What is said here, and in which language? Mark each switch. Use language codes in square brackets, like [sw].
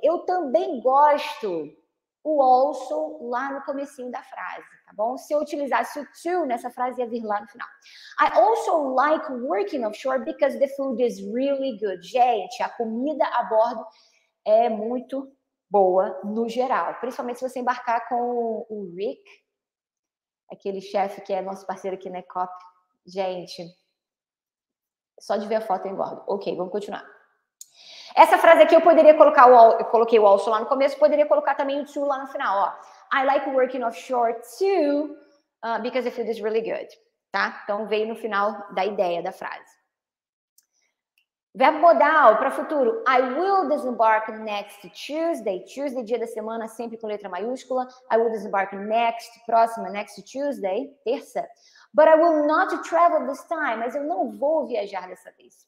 [pt] Eu também gosto o also lá no comecinho da frase, tá bom? Se eu utilizasse o to nessa frase, ia vir lá no final. [en] I also like working offshore because the food is really good. [pt] Gente, a comida a bordo é muito boa no geral. Principalmente se você embarcar com o Rick, aquele chefe que é nosso parceiro aqui na Ecop. Gente, só de ver a foto eu engordo. Ok, vamos continuar. Essa frase aqui eu poderia colocar, eu coloquei o also lá no começo, poderia colocar também o to lá no final, ó. [en] I like working offshore too, because the food is really good, tá? [pt] Então veio no final da ideia da frase. Verbo modal para futuro. [en] I will disembark next Tuesday. Tuesday, [pt] dia da semana, sempre com letra maiúscula. [en] I will disembark next, próxima, next Tuesday, terça. But I will not travel this time. [pt] Mas eu não vou viajar dessa vez.